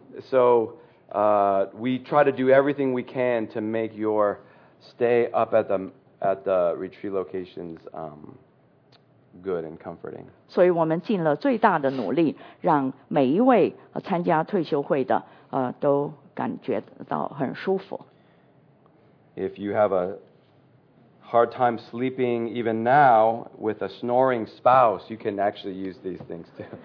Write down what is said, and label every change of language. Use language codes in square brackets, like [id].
[en] So we try to do everything we can to make your stay up at the retreat locations good and comforting. [zh] 所以我们尽了最大的努力，让每一位参加退休会的都感觉到很舒服。 [en] If you have a hard time sleeping even now with a snoring spouse, you can actually use these things too.